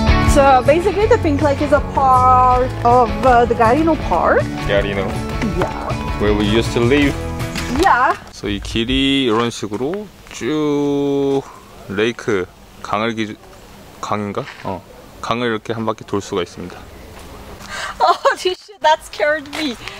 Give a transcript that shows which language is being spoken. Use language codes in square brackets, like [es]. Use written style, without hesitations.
[en] So basically the Pink Lake is a part of the Garino Park. Garino? Yeah. Where we used to live. Yeah. [ko] So 이 길이 이런 식으로 쭉 레이크 강을 기 강인가? 어. 강을 이렇게 한 바퀴 돌 수가 있습니다. [en] Oh, this shit, that scared me.